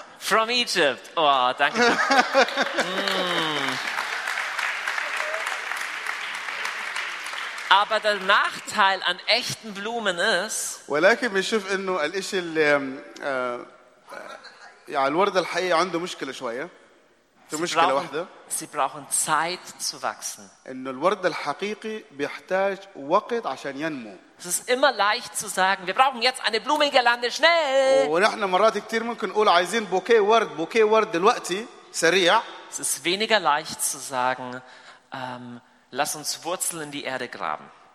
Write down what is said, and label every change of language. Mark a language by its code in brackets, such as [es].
[en] From Egypt. Oh, [de] danke. Aber der Nachteil an echten Blumen ist. [ar] ولكن بنشوف إنه الإشي اللي يعني الوردة الحقيقية عنده مشكلة شوية. في مشكلة واحدة. [de] sie brauchen Zeit zu wachsen. Es ist immer leicht zu sagen, wir brauchen jetzt eine Blumengirlande, schnell. Es ist weniger leicht zu sagen, lass uns Wurzeln in die Erde graben.